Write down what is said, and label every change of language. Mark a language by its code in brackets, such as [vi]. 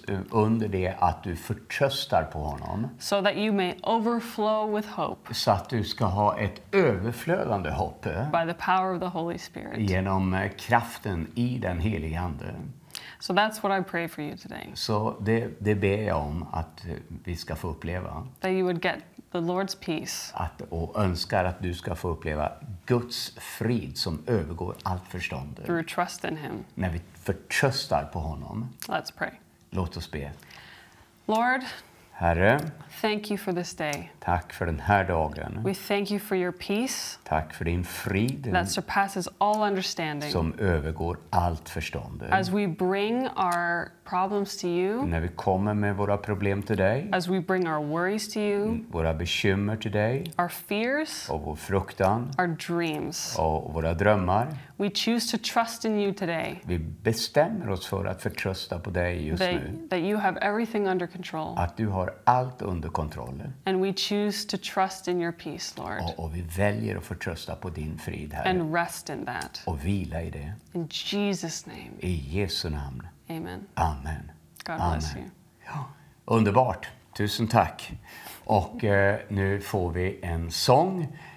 [sv] under det att du förtröstar på honom [en] so that you may overflow with hope [sv] så att du ska ha ett överflödande hopp [en] by the power of the Holy Spirit [sv] genom kraften I den helige ande. [en] So that's what I pray for you today. [sv] Så det ber jag om att vi ska få uppleva. [en] That you would get the Lord's peace. [sv] Att och önskar att du ska få uppleva Guds frid som övergår allt förstånd. [en] Through trust in him. [sv] När vi förtröstar på honom. [en] Let's pray. [sv] Låt oss be. [en] Lord. [sv] Herre. [en] Thank you for this day. [sv] Tack för den här dagen. [en] We thank you for your peace. [sv] Tack för din frid. [en] That surpasses all understanding. [sv] Som övergår allt förstånd. [en] As we bring our problems to you. [sv] När vi kommer med våra problem till dig. [en] As we bring our worries to you. [sv] Våra bekymmer till dig. [en] Our fears. [sv] Och vår fruktan. [en] Our dreams. [sv] Och våra drömmar. [en] We choose to trust in you today. [sv] Vi bestämmer oss för att förtrösta på dig just [en] that, [sv] nu. [en] That you have everything under control. [sv] Att du har allt under kontroll. [en] And we choose to trust in your peace, Lord. [sv] Och vi väljer att förtrösta på din frid, Herre. [en] And rest in that. [sv] Och vila I det. [en] In Jesus' name. [sv] I Jesu namn. [en] Amen. [sv] Amen. [en] God bless you. [sv] Ja. Underbart. Tusen tack. Och nu får vi en sång.